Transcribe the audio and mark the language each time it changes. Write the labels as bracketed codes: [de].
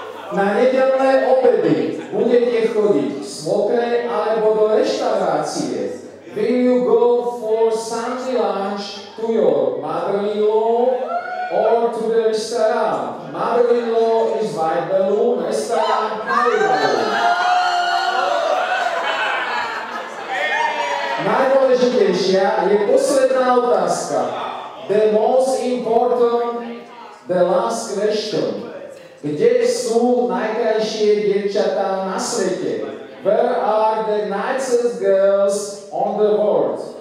[sk] Na nedeľné obedy budete chodiť v smokre alebo do reštaurácie? [en] Will you go for Sunday lunch to your mother-in-law or to the restaurant? Mother-in-law is white balloon, restaurant, Mother-in-law. [sk] Najdôležitejšia je posledná otázka. [en] The most important, the last question. [sk] Kde sú najkrajšie dievčatá na svete? [en] Where are the nicest girls on the world?